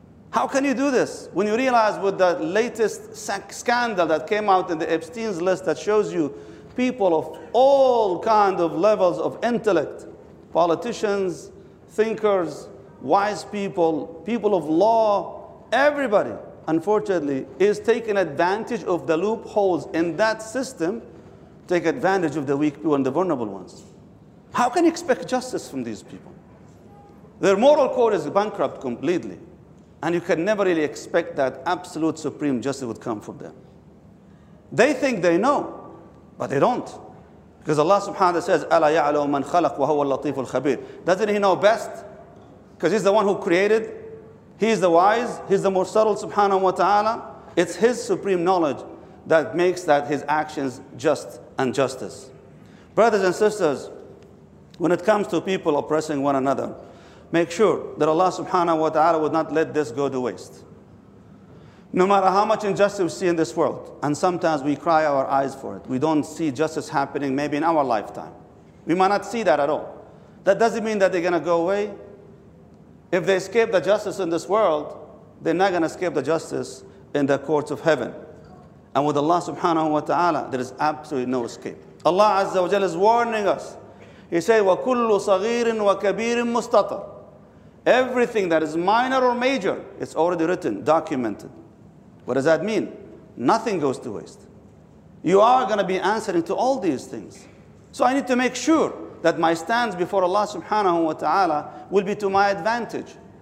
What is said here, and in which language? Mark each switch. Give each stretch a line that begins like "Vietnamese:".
English: How can you do this when you realize with the latest scandal that came out in the Epstein's list that shows you people of all kind of levels of intellect, politicians, thinkers, wise people, people of law, everybody, unfortunately, is taking advantage of the loopholes in that system, take advantage of the weak people and the vulnerable ones. How can you expect justice from these people? Their moral code is bankrupt completely, and you can never really expect that absolute supreme justice would come from them. They think they know, but they don't. Because Allah subhanahu wa ta'ala says,
Arabic: أَلَا يَعْلَوْ مَنْ خَلَقْ وَهُوَ اللَّطِيفُ الْخَبِيرُ.
English: Doesn't he know best? Because he's the one who created, he's the wise, he's the more subtle subhanahu wa ta'ala. It's his supreme knowledge that makes that his actions just and justice. Brothers and sisters, when it comes to people oppressing one another, make sure that Allah subhanahu wa ta'ala would not let this go to waste. No matter how much injustice we see in this world, and sometimes we cry our eyes for it, we don't see justice happening maybe in our lifetime. We might not see that at all. That doesn't mean that they're going to go away. If they escape the justice in this world, they're not going to escape the justice in the courts of heaven. And with Allah subhanahu wa ta'ala, there is absolutely no escape. Allah azza wa jalla is warning us. He said,
Arabic: وَكُلُّ صَغِيرٍ وَكَبِيرٍ مُسْتَطَرٍ.
English: Everything that is minor or major, it's already written, documented. What does that mean? Nothing goes to waste. You are going to be answering to all these things. So I need to make sure that my stance before Allah subhanahu wa ta'ala will be to my advantage.